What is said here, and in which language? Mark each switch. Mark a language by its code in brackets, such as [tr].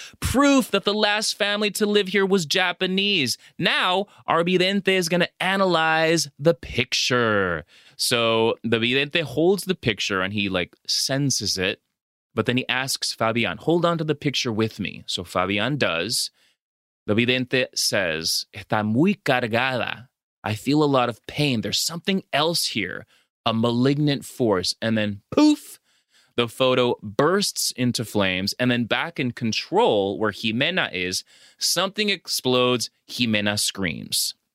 [en] Proof that the last family to live here was Japanese. Now, our vidente is going to analyze the picture. So the vidente holds the picture, and he, like, senses it. But then he asks Fabian, hold on to the picture with me. So Fabian does. The vidente says, [es] está muy cargada. [en] I feel a lot of pain. There's something else here. A malignant force, and then poof, the photo bursts into flames, and then back in control where Jimena is, something explodes, Jimena screams.